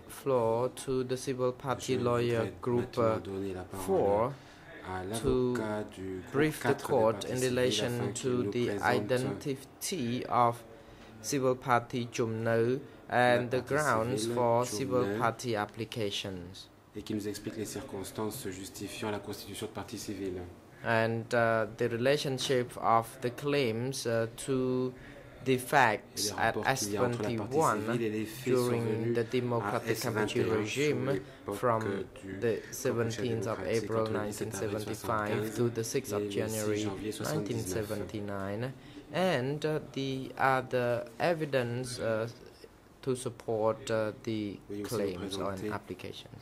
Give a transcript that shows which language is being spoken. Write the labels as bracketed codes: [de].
[en] The floor to the Civil Party [fr] Je [en] Lawyer Group 4 to brief the court in relation to the identity of Civil Party Chum Neou and the grounds for Civil Party applications. [fr] et qui nous explique les circonstances justifiant la constitution de partie civile. [en] And the relationship of the claims to the facts at S21 during the democratic capitulation regime from the 17th of April 1975 to the 6th of January 1979, and the other evidence to support the claims on applications.